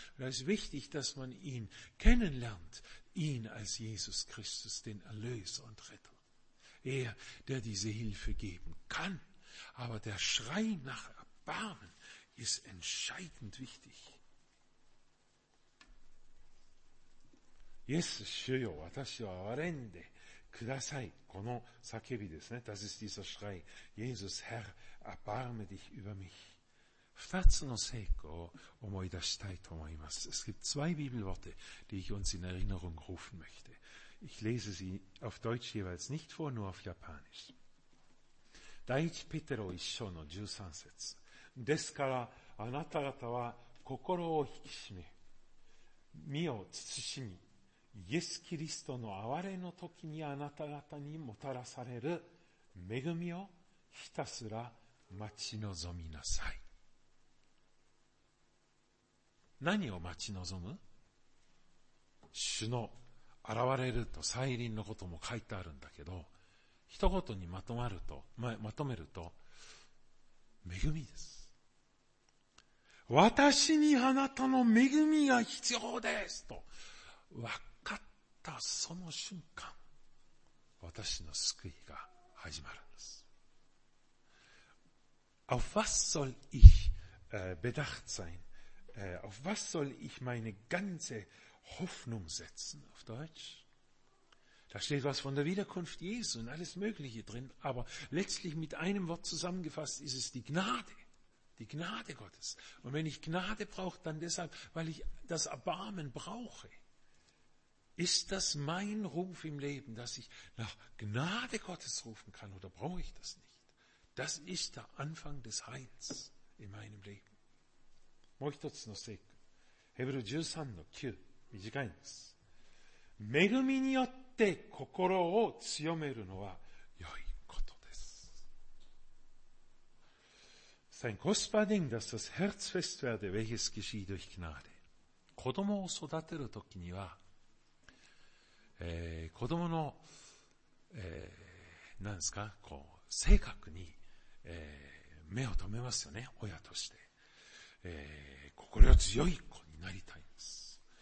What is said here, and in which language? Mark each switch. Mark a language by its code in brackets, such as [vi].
[de] Und es ist wichtig, dass man ihn kennenlernt, ihn als Jesus Christus, den Erlöser und Retter. Er, der diese Hilfe geben kann. Aber der Schrei nach Erbarmen ist entscheidend wichtig. [ja] イエス主よ、私を憐れんでください。この叫びですね。 [de] Das ist dieser Schrei. Jesus, Herr, erbarme dich über mich. [ja] 二つの聖句を思い出したいと思います。 [de] Es gibt zwei Bibelworte, die ich uns in Erinnerung rufen möchte. Ich lese sie auf Deutsch jeweils nicht vor, nur auf Japanisch. [ja] 第一ペテロ一章の十三節。ですから、あなた方は心を引き締め、身を慎み、イエス・キリストの憐れの時にあなた方にもたらされる恵みをひたすら待ち望みなさい。何を待ち望む？主の現れると再臨のことも書いてあるんだけど、一言にまとめると恵みです。私にあなたの恵みが必要ですと分かる、その瞬間、私の救いが始まるんです。 [de] Auf was soll ich bedacht sein? Auf was soll ich meine ganze Hoffnung setzen? Auf Deutsch? Da steht was von der Wiederkunft Jesu und alles Mögliche drin, aber letztlich mit einem Wort zusammengefasst ist es die Gnade. Die Gnade Gottes. Und wenn ich Gnade brauche, dann deshalb, weil ich das Erbarmen brauche. Ist das mein Ruf im Leben, dass ich nach Gnade Gottes rufen kann, oder brauche ich das nicht? Das ist der Anfang des Heils in meinem Leben. [ja] もう一つの聖句。ヘブル13の9、短いんです。恵みによって心を強めるのは良いことです。 [de] Sein kostbar Ding, dass das Herz fest werde, welches geschieht durch Gnade. [ja] 子供を育てるときには、子どもの、なんですか、こう性格に、目を留めますよね、親として、心を強い子になりたいんです。